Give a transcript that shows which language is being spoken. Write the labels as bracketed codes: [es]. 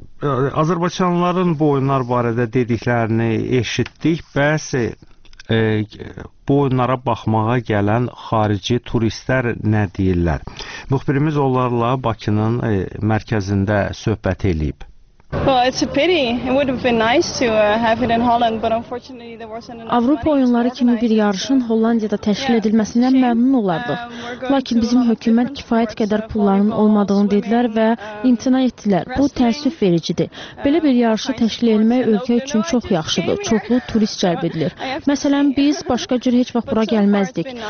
[az] Azərbaycanlıların bu oyunlar barədə dediklərini eşitdik. Bəs bu oyunlara baxmağa gələn xarici turistlər nə deyirlər? Müxbirimiz onlarla Bakının mərkəzində söhbət eləyib. [en] Well, it's a pity. It would have been nice to have it in Holland, but unfortunately there wasn't enough. [az] Avropa oyunları kimi bir yarışın Hollandiyada təşkil edilməsindən məmnun olardıq. Lakin bizim hökumət kifayət qədər pulların olmadığını dedilər və imtina etdilər. Bu təəssüf vericidir. Belə bir yarışı təşkil etmək ölkə üçün çox yaxşıdır. Çoxlu turist cəlb edilir. Məsələn, biz başqa cür heç vaxt bura gəlməzdik.